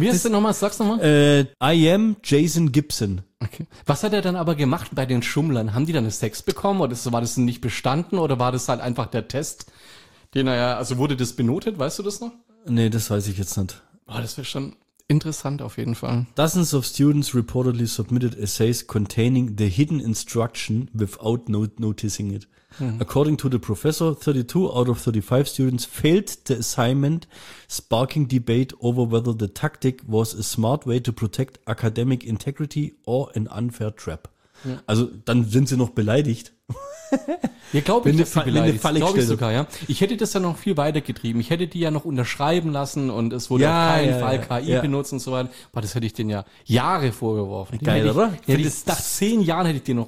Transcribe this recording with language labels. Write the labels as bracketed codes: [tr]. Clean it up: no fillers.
[de] wie heißt der nochmal, sag's nochmal? [en] I am Jason Gibson. Okay. [de] Was hat er dann aber gemacht bei den Schummlern? Haben die dann einen Sex bekommen oder war das nicht bestanden oder war das halt einfach der Test, den er ja, also wurde das benotet, weißt du das noch? Nee, das weiß ich jetzt nicht. Boah, das wäre schon, Interessant auf jeden Fall. [en] Dozens of students reportedly submitted essays containing the hidden instruction without noticing it. Mhm. According to the professor, 32 out of 35 students failed the assignment, sparking debate over whether the tactic was a smart way to protect academic integrity or an unfair trap. [de] Ja. Also dann sind sie noch beleidigt. Ja, glaube ich, dass sie beleidigt sind. Glaube ich sogar, ja. Ich hätte das ja noch viel weiter getrieben. Ich hätte die ja noch unterschreiben lassen und es wurde auf keinen Fall KI benutzt und so weiter. Aber das hätte ich denen ja Jahre vorgeworfen. Die geil, oder? Nach 10 Jahren hätte ich dir noch